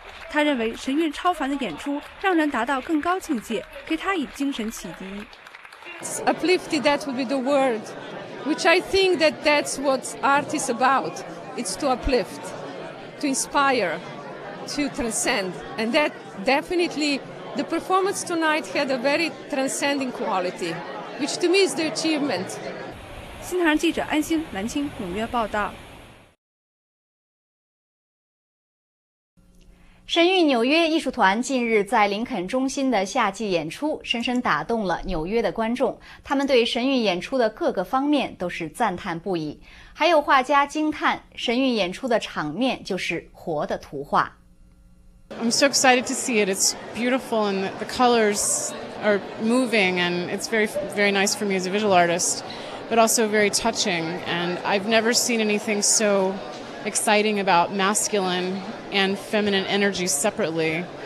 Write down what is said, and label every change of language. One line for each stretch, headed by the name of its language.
Chinese: 他认为神韵超凡的演出让人达到更高境界，给他以精神启迪。
English: Uplifted, that would be the word, which I think that's what art is about. It's to uplift, to inspire, to transcend. And that definitely, the performance tonight had a very transcending quality, which to me is the achievement.
Chinese: 新唐人记者安心，蓝青，纽约报道。神韵纽约艺术团近日在林肯中心的夏季演出深深打动了纽约的观众，他们对神韵演出的各个方面都是赞叹不已，还有画家惊叹神韵演出的场面就是活的图画。
English: I'm so excited to see it. It's beautiful and the colors are moving and it's very, very nice for me as a visual artist, but also very touching. And I've never seen anything so exciting about masculine and feminine energy separately.